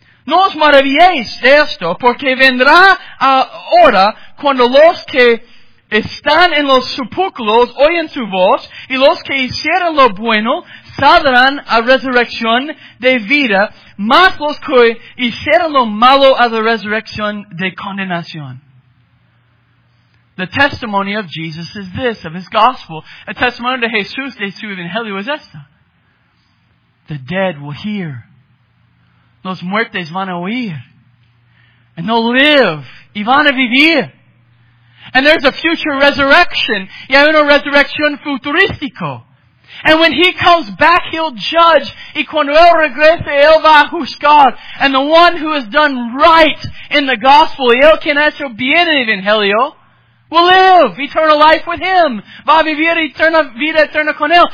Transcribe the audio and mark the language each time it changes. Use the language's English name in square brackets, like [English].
[Spanish] No os maravilléis de esto, porque vendrá ahora cuando los que están en los sepulcros, oyen su voz, y los que hicieron lo bueno saldrán a resurrección de vida, más los que hicieron lo malo a la resurrección de condenación. [English] The testimony of Jesus is this, of His gospel. [Spanish] A testimony de Jesús de su evangelio es esta. [English] The dead will hear. [Spanish] Los muertos van a oír. [English] And they'll live. [Spanish] Y van a vivir. [English] And there's a future resurrection. [Spanish] Y hay una resurrección futurístico. [English] And when He comes back, He'll judge. [Spanish] Y cuando Él regrese, Él va a juzgar. [English] And the one who has done right in the gospel, [Spanish] y el que ha hecho bien en Evangelio, [English] will live eternal life with Him. [Spanish] Va a vivir eterna vida eterna con Él.